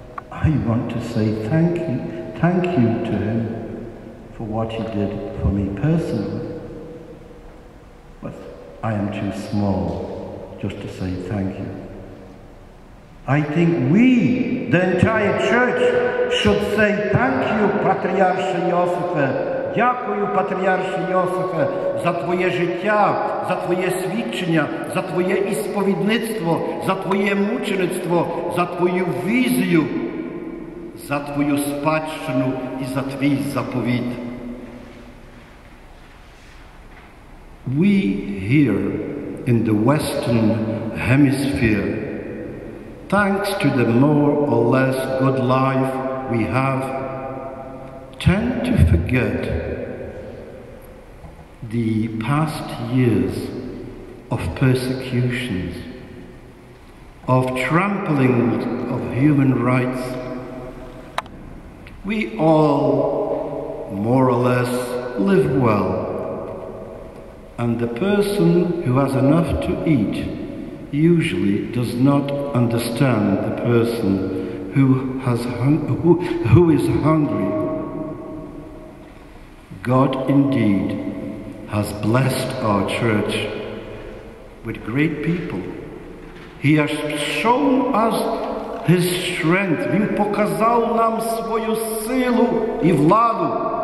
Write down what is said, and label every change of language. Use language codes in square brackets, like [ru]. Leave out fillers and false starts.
[en] I want to say thank you to him for what he did for me personally. I am too small just to say thank you. I think we, the entire church, should say thank you, Patriarch Joseph, [uk] Дякую, патріарші Йосифе, за твоє життя, за твоє свідчення, за твоє ісповідництво, за твоє мучеництво, за твою візію, за твою спадщину і за твій заповіт. [en] We here in the Western Hemisphere, thanks to the more or less good life we have, tend to forget the past years of persecutions, of trampling of human rights. We all, more or less, live well. And the person who has enough to eat usually does not understand the person who is hungry. God indeed has blessed our church with great people. He has shown us his strength. [uk] Він показав нам свою силу і владу.